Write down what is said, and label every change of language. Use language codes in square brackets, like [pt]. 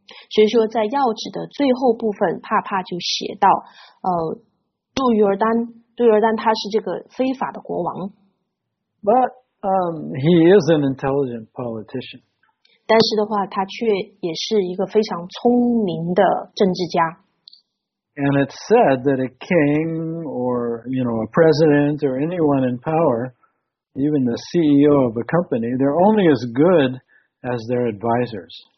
[zh] 所以说在要旨的最后部分，帕帕就写到杜约尔丹他是这个非法的国王。 [en] But, he is an intelligent politician. [zh] 但是的话他却也是一个非常聪明的政治家。 [en] And it's said that a king or, you know, a president or anyone in power, even the CEO of a company, they're only as good as their advisors.